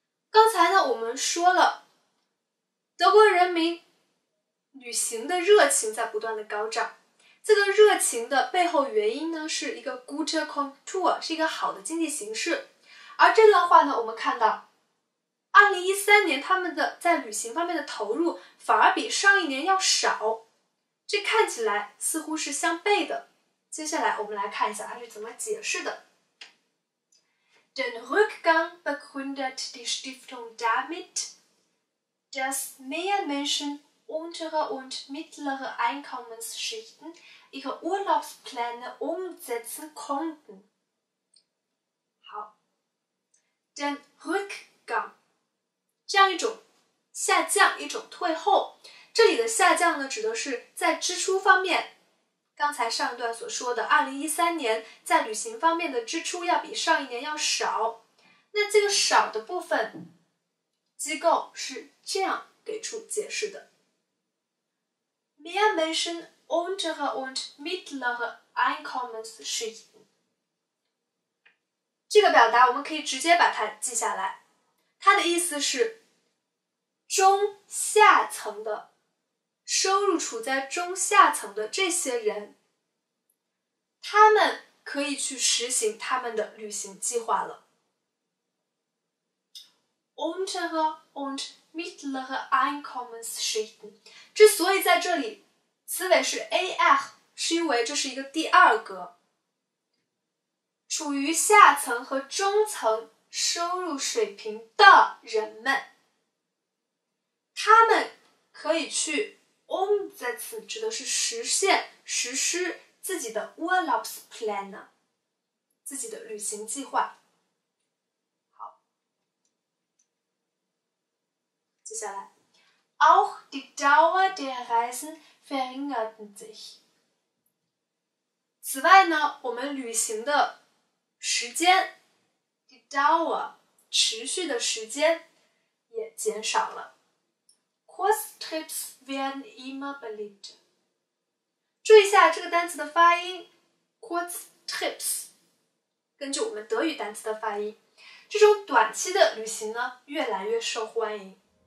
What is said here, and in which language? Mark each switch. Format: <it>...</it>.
<zh>刚才呢我们说了德国人民旅行的热情在不断的高涨，这个热情的背后原因呢是一个 gute Kontur，是一个好的经济形势。而这段话呢我们看到2013年他们的在旅行方面的投入反而比上一年要少，这看起来似乎是相悖的，接下来我们来看一下它是怎么解释的。</zh> <de>Den Rückgang begründet die Stiftung damit, dass mehr Menschen untere und mittlere Einkommensschichten ihre Urlaubspläne umsetzen konnten.</de> <zh>好</zh> <de>Den Rückgang</de> <zh>这样一种下降一种退后这里的下降呢指的是在支出方面刚才上段所说的2013年在旅行方面的支出要比上一年要少那这个少的部分机构是这样给出解释的</zh> <de>Mehr Menschen untere und mittlere Einkommensschichten</de> <zh>这个表达我们可以直接把它记下来它的意思是中下层的收入处在中下层的这些人他们可以去实行他们的旅行计划了</zh> <de>Untere und mittlere Einkommensschichten</de> <zh>之所以在这里词尾是 AR 是因为这是一个第二格处于下层和中层收入水平的人们他们可以去umsetzen 指的是实现实施自己的 Urlaubspläne 自己的旅行计划好接下来</zh> <de>Auch die Dauer der Reisen verringerten sich</de> <zh>此外呢我们旅行的时间</zh> <de>die Dauer</de> <zh>持续的时间也减少了</zh> <de>Kurztrips werden immer beliebter.</de> <zh>注意一下这个单词的发音 Kurztrips 根据我们德语单词的发音这种短期的旅行呢越来越受欢迎</zh>